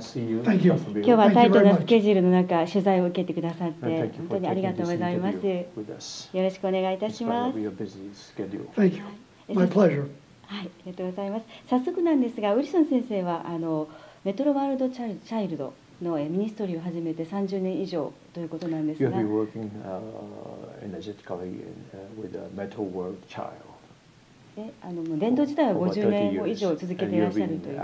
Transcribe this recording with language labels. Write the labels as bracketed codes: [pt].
[ja] 日はタイトなスケジュールの中、取材を受けてくださって本当にありがとうございます。よろしくお願いいたします。早速なんですが、ウィルソン先生はメトロワールドチャイルドのミニストリーを始めて30年以上ということなんですが、 [en] You have been working energetically with Metro World Child。 [ja] 伝道自体は50年以上続けていらっしゃるという